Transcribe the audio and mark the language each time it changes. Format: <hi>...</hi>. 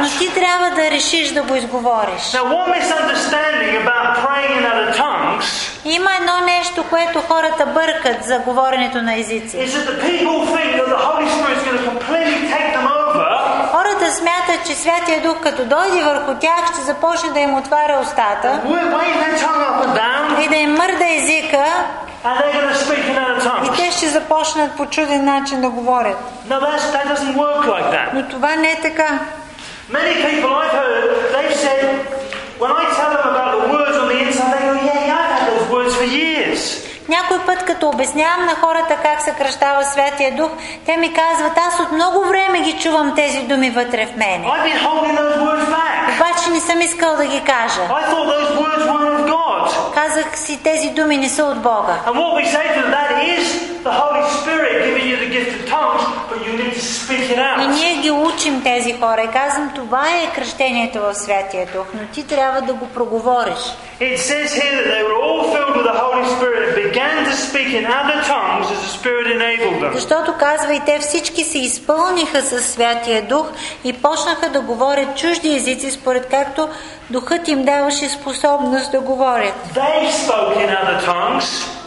<bg>Но ти трябва да решиш да го изговориш.</bg> <en>Now, one misunderstanding about praying in other tongues.</en> <bg>Има едно нещо, което хората бъркат за говоренето на езици.</bg> <en>Is that the people think that the Holy Spirit is going to completely take them over?</en> <bg>Хората смятат, че Святия Дух като дойде върху тях, ще започне да им отваря устата.</bg> <en>Wave their tongue up and down.</en> <bg>И да им мърда езика.</bg> <en>And they're going to speak in other tongues.</en> <bg>И те ще започнат по чуден начин да говорят.</bg> <en>No, that doesn't work like that.</en> <bg>Но това не е така.</bg> <en>Many people I've heard, they've said, when I tell them about the words on the inside, they go, yeah, yeah, I've had those words for years.</en> <bg>Някой път, като обяснявам на хората как се кръщава Святия Дух, те ми казват, аз от много време ги чувам тези думи вътре в мене.</bg> <en>I've been holding those words back.</en> <bg>Обаче не съм искал да ги кажа.</bg> <en>I thought those words were of God.</en> <bg>Казах си, тези думи не са от Бога.</bg> <en>And what we say to that is the Holy Spirit giving you the gift of tongues, but you need to speak it out.</en> <bg>И ние ги учим тези хора и казвам, това е кръщението в Святия Дух, но ти трябва да го проговориш.</bg> <en>It says here that they were all filled with the Holy Spirit and began to speak in other tongues as the Spirit enabled them.</en> <bg>Защото казва и те всички се изпълниха със Святия Дух и почнаха да говорят чужди езици според както Духът им даваше способност да говорят.</bg> <en>They spoke in other tongues.</en>